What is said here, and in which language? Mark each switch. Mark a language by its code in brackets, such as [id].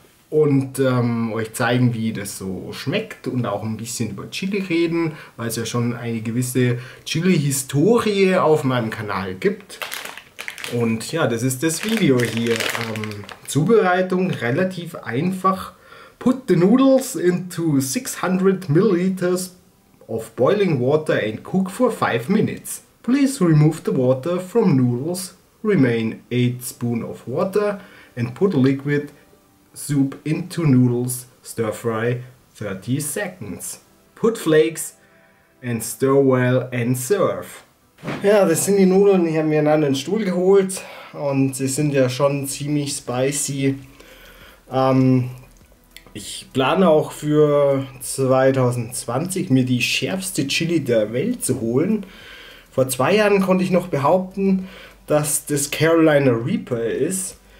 [de] Und euch zeigen, wie das so schmeckt und auch ein bisschen über Chili reden, weil es ja schon eine gewisse Chili-Historie auf meinem Kanal gibt. Und ja, das ist das Video hier. Zubereitung relativ einfach. [en] Put the noodles into 600 milliliters of boiling water and cook for 5 minutes. Please remove the water from noodles. Remain 8 spoons of water and put liquid soup into noodles, stir fry 30 seconds. Put flakes and stir well and serve. [de] Ja, das sind die Nudeln, die haben wir in einen Stuhl geholt und sie sind ja schon ziemlich spicy. Ich plane auch für 2020 mir die schärfste Chili der Welt zu holen. Vor 2 Jahren konnte ich noch behaupten, dass das Carolina Reaper ist.